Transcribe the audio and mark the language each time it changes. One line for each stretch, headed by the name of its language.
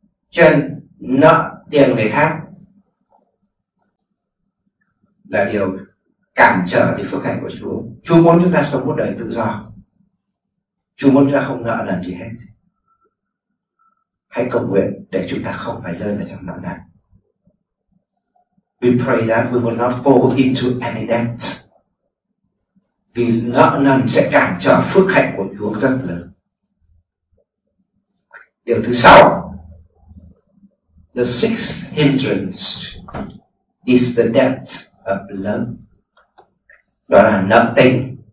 Vietnamese: Cho nên nợ tiền người khác là điều cản trở đi phước hạnh của Chúa. Chúa muốn chúng ta sống một đời tự do. Chúa muốn chúng ta không nợ lần gì hết. Hãy cầu nguyện để chúng ta không phải rơi vào trong nợ nần.
English: We pray that we will not fall into any debt.
Vietnamese: Vì nợ nần sẽ cản trở phước hạnh của Chúa rất lớn. Điều thứ sáu,
English: the sixth hindrance is the debt of love.
Vietnamese: Đó là nợ tình.